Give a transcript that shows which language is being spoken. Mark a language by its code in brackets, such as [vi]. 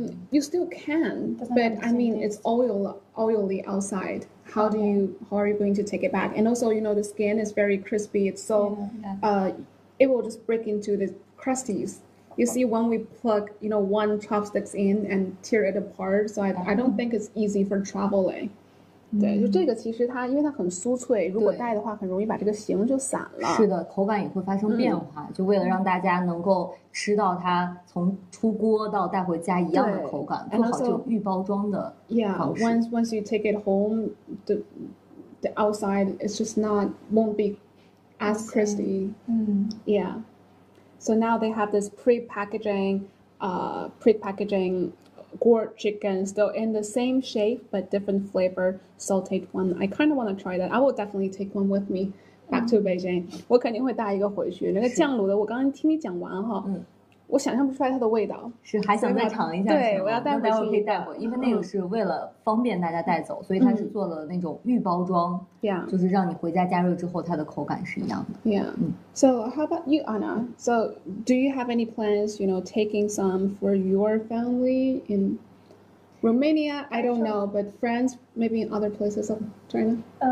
[en] You still can, but I mean, it's oily outside. How do you, how are you going to take it back? And also, you know, the skin is very crispy. It's so, it will just break into the crusties. You see, when we plug, you know, one chopsticks in and tear it apart, so I don't think it's easy for traveling. [zh] 对，就这个其实它，因为它很酥脆，如果带的话，很容易把这个形就散了。是的，口感也会发生变化。就为了让大家能够吃到它从出锅到带回家一样的口感，做好就预包装的方式。 [en] Yeah, once you take it home, the outside is just not won't be as crispy. Yeah. So now they have this pre-packaging gourd chicken still in the same shape, but different flavor, sauteed one. I kind of want to try that. I will definitely take one with me back to Beijing. [zh] 我肯定会带一个回去。那个酱卤的，我刚刚听你讲完哈，我想象不出来它的味道。是，还想再尝一下。对，我要带回去。待会可以带回，因为那个是为了方便大家带走，所以它是做了那种预包装。 [en] Yeah. [zh] 就是让你回家加热之后，它的口感是一样的。 [en] Yeah. So how about you, Anna? So do you have any plans, you know, taking some for your family in Romania? I don't know, but friends, maybe in other places of China?